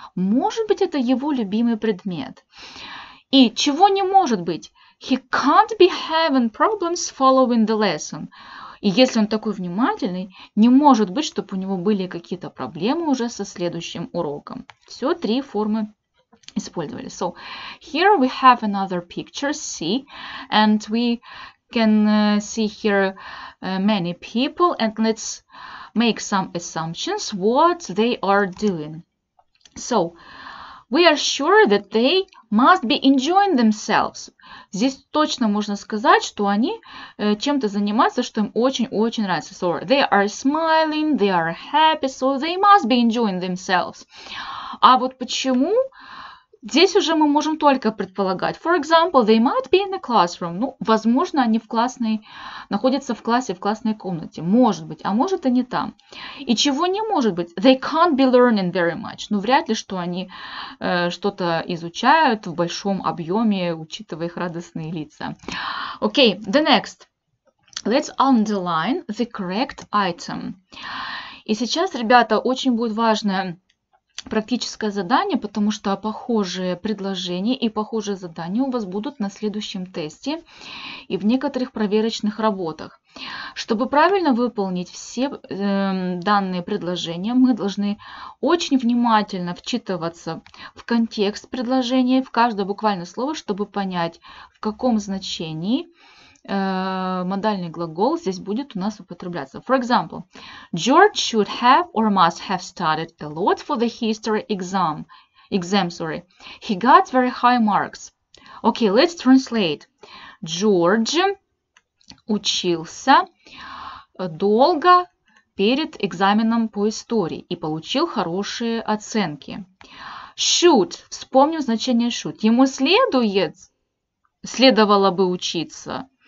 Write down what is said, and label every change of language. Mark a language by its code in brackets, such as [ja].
[ru] Может быть, это его любимый предмет. И чего не может быть? [en] He can't be having problems following the lesson. [ru] И если он такой внимательный, не может быть, чтобы у него были какие-то проблемы уже со следующим уроком. Все три формы использовали. [en] So, here we have another picture, see, and we can see here many people, and let's make some assumptions what they are doing. So, we are sure that they must be enjoying themselves. [ru] Здесь точно можно сказать, что они чем-то занимаются, что им очень-очень нравится. [en] So, they are smiling, they are happy, so they must be enjoying themselves. [ru] А вот почему? Здесь уже мы можем только предполагать. For example, they might be in the classroom. Ну, возможно, они в классной, находятся в классе, в классной комнате. Может быть, а может они там. И чего не может быть? [en] They can't be learning very much. [ru] Ну, вряд ли, что они что-то изучают в большом объеме, учитывая их радостные лица. [en] Okay, the next. Let's underline the correct item. [ru] И сейчас, ребята, очень будет важно практическое задание, потому что похожие предложения и похожие задания у вас будут на следующем тесте и в некоторых проверочных работах. Чтобы правильно выполнить все данные предложения, мы должны очень внимательно вчитываться в контекст предложения, в каждое буквально слово, чтобы понять, в каком значении модальный глагол здесь будет у нас употребляться. [en] For example, George should have or must have studied a lot for the history exam. He got very high marks. Okay, let's translate. [ru] George учился долго перед экзаменом по истории и получил хорошие оценки. Should. Вспомним значение should. Ему следовало бы учиться.